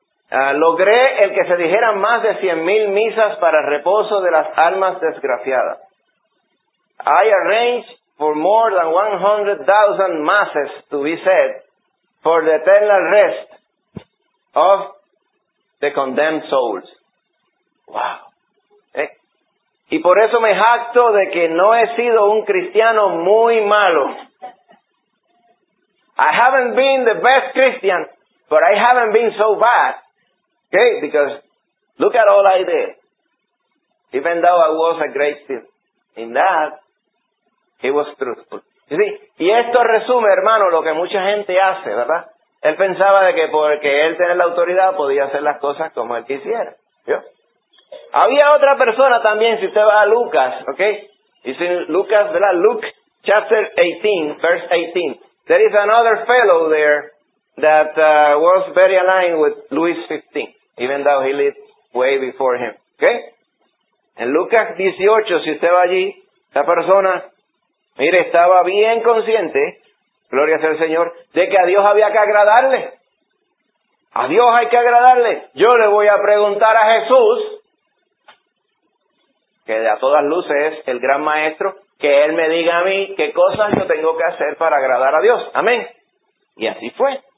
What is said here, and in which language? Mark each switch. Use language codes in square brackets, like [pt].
[es] Logré el que se dijeran más de 100,000 misas para el reposo de las almas desgraciadas. [en] I arranged for more than 100,000 masses to be said for the eternal rest of the condemned souls. Wow. [es] Y por eso me jacto de que no he sido un cristiano muy malo. [en] I haven't been the best Christian, but I haven't been so bad. Okay, because look at all I did. Even though I was a great sin. In that, he was truthful. You see? [es] Y esto resume, hermano, lo que mucha gente hace, ¿verdad? Él pensaba de que porque él tenía la autoridad podía hacer las cosas como él quisiera. ¿Yo? Había otra persona también, si usted va a Lucas, ¿ok? Dice Lucas, ¿verdad? [en] Luke chapter 18, verse 18. There is another fellow there that was very aligned with Louis XV, even though he lived way before him, ¿ok? [es] En Lucas 18, si usted va allí, esta persona, mire, estaba bien consciente, gloria sea el Señor, de que a Dios había que agradarle. A Dios hay que agradarle. Yo le voy a preguntar a Jesús, que de a todas luces es el gran maestro, que él me diga a mí qué cosas yo tengo que hacer para agradar a Dios. Amén. Y así fue.